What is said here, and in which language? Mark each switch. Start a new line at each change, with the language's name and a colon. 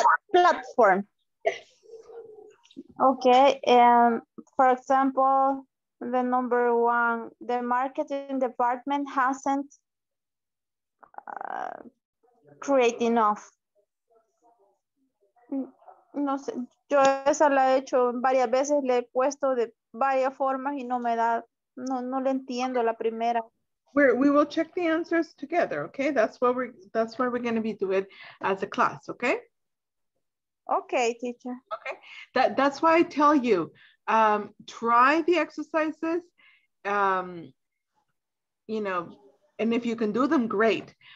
English: Platform. Okay, and for example, the number one, the marketing department hasn't created enough.
Spanish: No sé, yo esa la he hecho varias veces, le he puesto de varias formas y no me da, no le entiendo la primera.
English: We will check the answers together, okay? That's what we're going to be doing as a class, okay? Okay, teacher. Okay, that's why I tell you, try the exercises, you know, and if you can do them, great.